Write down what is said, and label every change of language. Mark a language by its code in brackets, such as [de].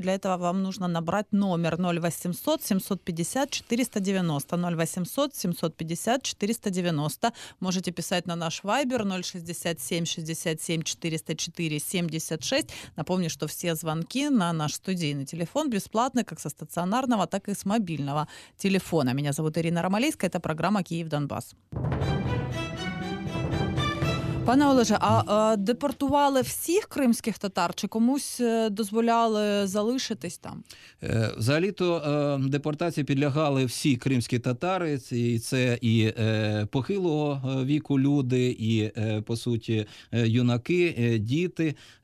[uk] Для цього вам потрібно набрати номер 0800 750 490. 0800 750 490. Можете писати на наш вайбер 067 67 404 76. Напомню, що всі дзвінки на наш студійний телефон безплатні, як зі стаціонарного, так і з мобільного телефона. [ru] Меня зовут Ирина Ромалейская, это программа «Киев-Донбасс». [uk] Пане Олеже, а депортували всіх кримських татар, чи комусь дозволяли залишитись там? Взагалі-то депортації підлягали всі кримські татари, і це і похилого віку люди, і, по суті, юнаки, діти.